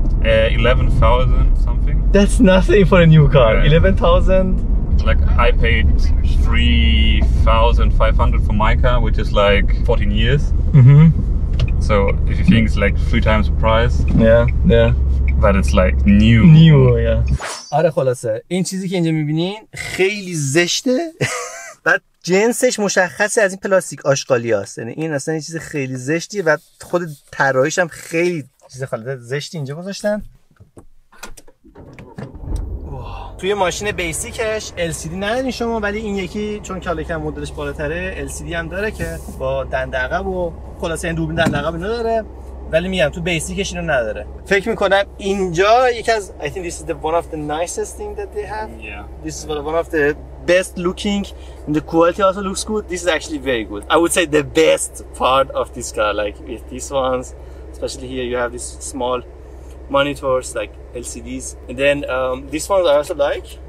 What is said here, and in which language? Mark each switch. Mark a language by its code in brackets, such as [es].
[en] 11,000 something. That's nothing for a new car. Yeah. 11,000. Like I paid 3,500 for my car, which is like 14 years. Mm-hmm. So if you think it's like 3 times the price. Yeah, yeah. But it's like new. New, yeah. [fa] آره خلاصه این چیزی که اینجا می‌بینین خیلی زشته. بعد جنسش مشخصه از این پلاستیک آشغالی است. یعنی این اصلا یه چیز خیلی زشتیه و خود طراحیش هم خیلی چیز خلاصه زشتی اینجا گذاشتن. توی ماشین بیسیکش LCD ندارین شما، ولی این یکی چون که کلکم مدلش بالاتره LCD هم داره که با دنده عقب و خلاصه این دوربین دنده عقب نداره، ولی میگم تو بیسیکش اینو نداره. فکر میکنم اینجا یکی از [en] I think this is the one of the nicest thing that they have. Yeah. This is one of the best looking and the quality also looks good. This is actually very good. I would say the best part of this car, like with these ones, especially here you have this small monitors like LCDs, and then this one I also like.